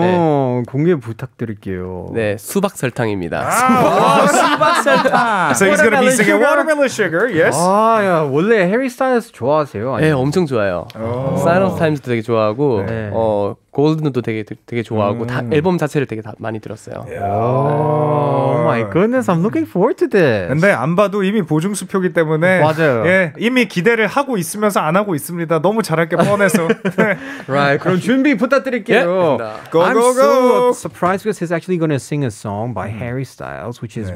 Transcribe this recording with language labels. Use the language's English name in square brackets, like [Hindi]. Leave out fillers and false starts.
[Korean] 네. 공개 부탁드릴게요. 네, 수박 설탕입니다. 수박 설탕. [English] So he's gonna be singing watermelon sugar. Yes. [Korean] 아, 야, 원래 해리 스타일스 좋아하세요? 아니면? 네, 엄청 좋아요. Silence Times도 되게 좋아하고, 네. 골든도 되게 좋아하고, 다 앨범 자체를 되게 많이 들었어요. [English] Oh my goodness, I'm looking forward to this. [Korean] 근데 안 봐도 이미 보증수표기 때문에 맞아요. 예, 이미 기대를 하고 있으면서 안 하고 있습니다. 너무 잘할 게 뻔해서. [English] 네. Right. [Korean] 그럼 준비 부탁드릴게요. [English] Yeah. Go go go. So surprised because he's actually going to sing a song by Harry Styles, which is [Korean] 네.